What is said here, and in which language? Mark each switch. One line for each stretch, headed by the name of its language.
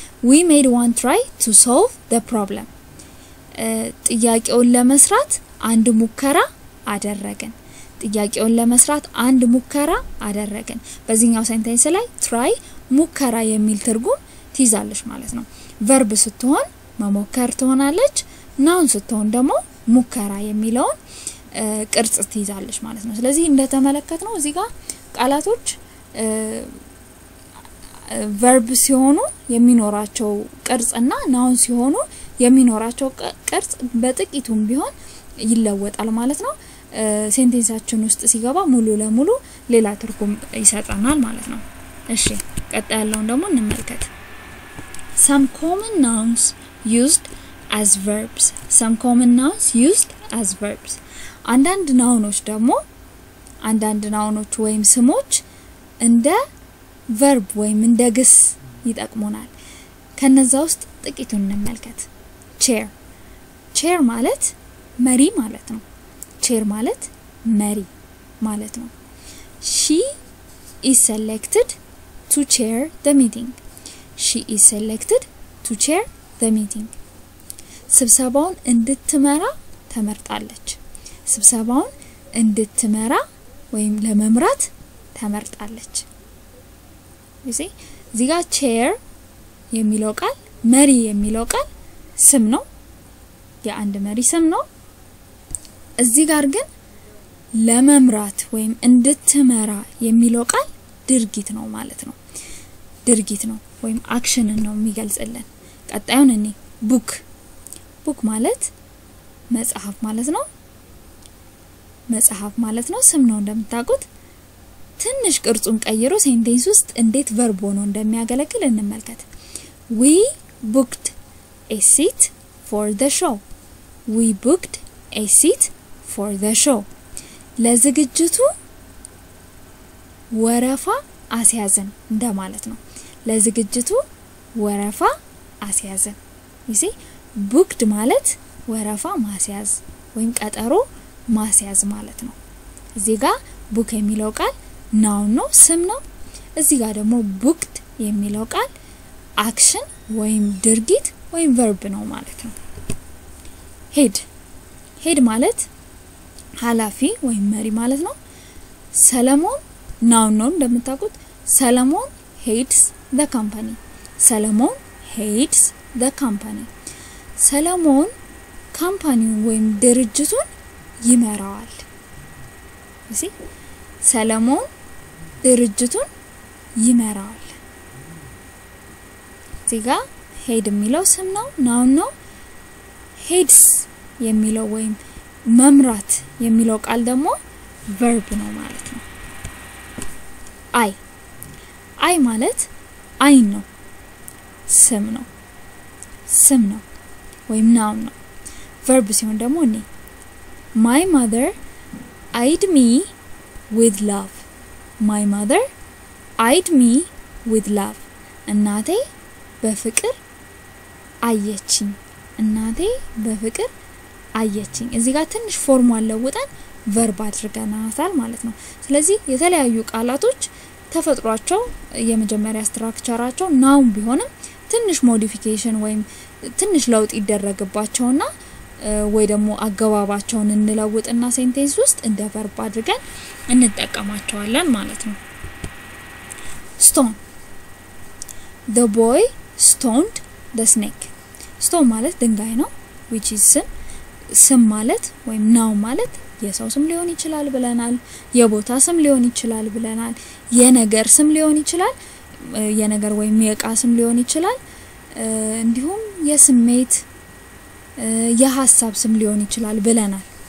English: We made one try to solve the problem.
Amharic: ጥያቄውን ለመስራት አንድ ሙከራ አደረግን. ጥያቄውን ለመስራት አንድ ሙከራ አደረግን. በዚህኛው sentence ላይ try ሙከራ የሚል ትርጉም ትይዛለች ማለት ነው. verb ስትሆን መሞከር ትሆናለች. noun ስትሆን ደግሞ ሙከራ የሚለውን ቅርጽ ትይዛለች ማለት ነው. ስለዚህ እንደተመለከትነው እዚህ ጋር ቃላቶች verb ሲሆኑ የሚኖራቸው ቅርጽና noun ሲሆኑ የሚኖራቸው ቅርጽ በጥቂቱም ቢሆን ይለወጣል ማለት ነው. ሴንቴንሳችን ውስጥ ሲገባ ሙሉ ለሙሉ ሌላ ትርጉም ይሰጣናል ማለት ነው. እሺ ቀጣያለውን ደግሞ እንመልከት.
English: Some common nouns used as verbs. Some common nouns used as verbs.
Amharic: አንዳንድ ናውኖች ደግሞ አንዳንድ ናውኖች ወይም ስሞች እንደ verb ወይም እንደ ግስ ይጠቅሙናል. ከነዛ ውስጥ ጥቂቱን እንመልከት. chair. chair ማለት መሪ ማለት ነው. chair ማለት መሪ ማለት ነው.
English: she is selected to chair the meeting. she is selected to chair the meeting.
Amharic: ስብሰባውን እንድትመራ ተመርጣለች. ስብሰባውን እንድትመራ ወይም ለመምራት ተመርጣለች. እዚህ ዚጋ chair የሚለው ቃል መሪ የሚለው ቃል ስም ነው. የአንድ መሪ ስም ነው. እዚህ ጋር ግን ለመምራት ወይም እንድትመራ የሚለው ቃል ድርጊት ነው ማለት ነው. ድርጊት ነው ወይም አክሽን ነው የሚገልጽልን. ቀጣዩን እኔ ቡክ. ቡክ ማለት መጽሐፍ ማለት ነው. መጽሐፍ ማለት ነው ስም ነው እንደምታውቁት. ትንሽ ቅርጹን ቀይሮ ሴንቴንስ ውስጥ እንዴት verb ሆኖ እንደሚያገለግል እንመልከት.
English: we booked a seat for the show. we booked a seat for the show.
Amharic: ለዝግጅቱ ወረፋ አስያዘን እንደማለት ነው. ለዝግጅቱ ወረፋ አስያዘን.
English: you see
Amharic: booked ማለት ወረፋ ማስያዝ ወይም ቀጠሮ ማስያዝ ማለት ነው. እዚህ ጋር book የሚለው ቃል noun ነው ስም ነው. እዚህ ጋር ደግሞ booked የሚለው ቃል action ወይም ድርጊት ወይም verb ነው ማለት ነው. head. head ማለት ሐላፊ ወይም መሪ ማለት ነው. ሰለሞን noun ነው እንደምታውቁት.
English: ሰለሞን heads the company. ሰለሞን heads the company.
Amharic: ሰለሞን ካምፓኒውን ወይም ድርጅቱን ይመራዋል. እዚህ ሰለሞን ድርጅቱን ይመራዋል. እዚህ ጋ head የሚለው ስም ነው noun ነው. heads የሚለው ወይም መምራት የሚለው ቃል ደግሞ verb ነው ማለት ነው. አይ. አይ ማለት አይን ነው ስም ነው. ስም ነው ወይም noun ነው. verb ሲሆን ደግሞ እኔ.
English: my mother eyed me with love. my mother eyed me with love.
Amharic: እናቴ በፍቅር አየችኝ. እናቴ በፍቅር አየችኝ. እዚህ ጋር ትንሽ ፎርም አለውጣን verb አድርገናታል ማለት ነው. ስለዚህ የተለያዩ ቃላቶች ተፈጥሯቸው የመጀመሪያ ስትራክቸራቸው noun ቢሆንም ትንሽ modification ወይም ትንሽ ለውጥ ይደረግባቸውና ወይ ደግሞ አገባባቸውን እንለውጥና ሴንቴንስ ውስጥ እንደ verb አድርገን እንጠቀማቸዋለን ማለት ነው.
English: stone. the boy stoned the snake.
Amharic: stone ማለት ድንጋይ ነው.
English: which is sin.
Amharic: ስም ማለት ወይም noun ማለት የሰው ስም ሊሆን ይችላል ብለናል. የቦታ ስም ሊሆን ይችላል ብለናል. የነገር ስም ሊሆን ይችላል. የነገር ወይም የቃ ስም ሊሆን ይችላል. እንዲሁም የስሜት የሐሳብ ስም ሊሆን ይችላል ብለናል.